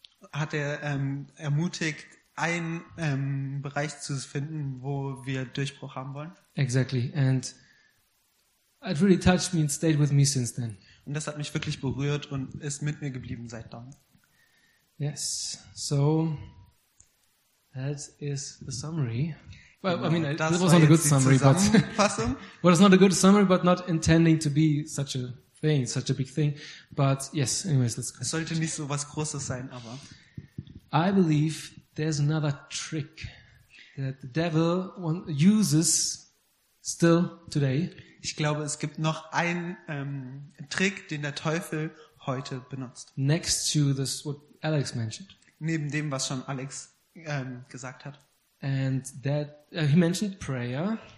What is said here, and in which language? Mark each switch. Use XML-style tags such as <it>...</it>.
<de>Hat er ermutigt, einen Bereich zu finden, wo wir Durchbruch haben wollen.</de> <en>Exactly. And it really touched me and stayed with me since then.</en> <de>Und das hat mich wirklich berührt und ist mit mir geblieben seit dann.</de> <en>Yes. So that is the summary. Well, I mean,</en> <de>das</de> <en>was not a good summary, but</en> <de>Zusammenfassung.</de> <en>Well, it's not a good summary, but not intending to be such a thing, such a big thing, but yes, anyways, let's go.</en> <de>Es sollte nicht so was Großes sein, aber</de> <en>I believe there's another trick that the devil uses still today.</en> <de>Ich glaube, es gibt noch einen Trick, den der Teufel heute benutzt.</de> <en>Next to this, what Alex mentioned.</en> <de>Neben dem, was schon Alex gesagt hat.</de> <en>And that he mentioned prayer.</en>